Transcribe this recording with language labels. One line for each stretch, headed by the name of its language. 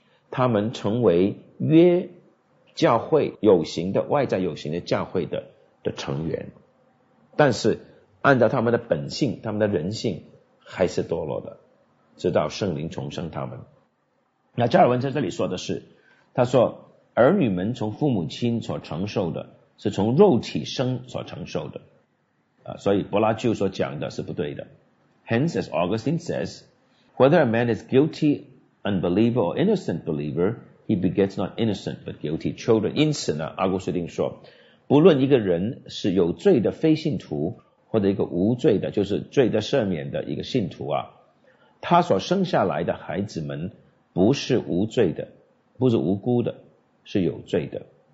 Chinese: 他们成为约教会有形的外在有形的教会的成员，但是按照他们的本性，他们的人性还是堕落的，直到圣灵重生他们。那加尔文在这里说的是，他说儿女们从父母亲所承受的是从肉体生所承受的啊，所以柏拉就所讲的是不对的。
English: Hence as Augustine says, whether a man is guilty unbeliever or innocent believer, he begets not innocent but guilty children.
Chinese: 因此呢，阿古斯丁说，不论一个人是有罪的非信徒或者一个无罪的，就是罪的赦免的一个信徒啊，他所生下来的孩子们不是无罪的，不是无辜的，是有罪的。